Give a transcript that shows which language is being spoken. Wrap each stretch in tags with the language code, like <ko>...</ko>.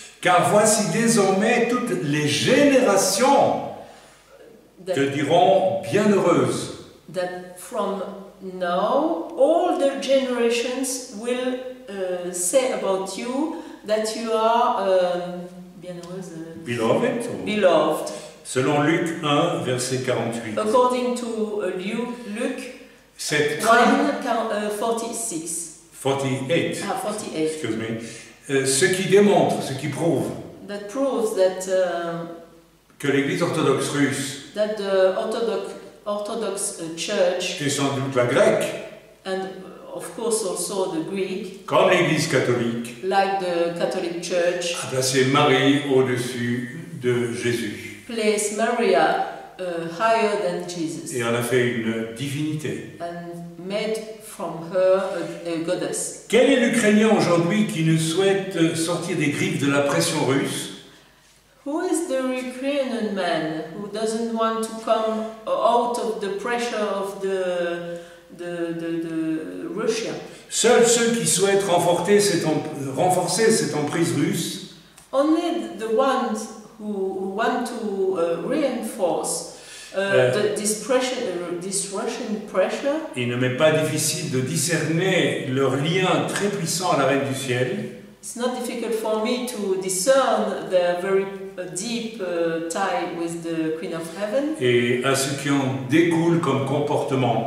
<fr>car voici désormais toutes les générations te diront bienheureuse</fr> <en>that from now all the generations will say about you that you are bienheureuse</en> <fr>beloved selon Luc 1 verset 48</fr> <en>according to Luc 48. Excuse me.</en> <fr>Ce qui démontre, ce qui prouve</fr> <en>that proves that,</en> <fr>que l'Église orthodoxe russe</fr> <en>that the Orthodox Church</en> <fr>qui est sans doute la grecque</fr> <en>and of course also the Greek,</en> <fr>comme l'Église catholique,</fr> <en>like the Catholic Church,</en> <fr>a placé Marie au-dessus de Jésus.</fr> <en>Place Maria higher than Jesus.</en> <fr>Et en a fait une divinité.</fr> <en>And made from her a goddess.</en> <fr>Quel est l'Ukrainien aujourd'hui qui ne souhaite sortir des griffes de la pression russe?</fr> <en>Who is the Ukrainian man who doesn't want to come out of the pressure of the Russia?</en> <fr>Seuls ceux qui souhaitent renforcer cette emprise russe.</fr> <en>Only the ones who want to reinforce this Russian pressure.</en> <fr>Il ne m'est pas difficile de discerner leur lien très puissant à la Reine du Ciel.</fr> <en>It's not difficult for me to discern their very deep tie with the Queen of Heaven.</en> <fr>Et à ce qui en découle comme comportement.</fr>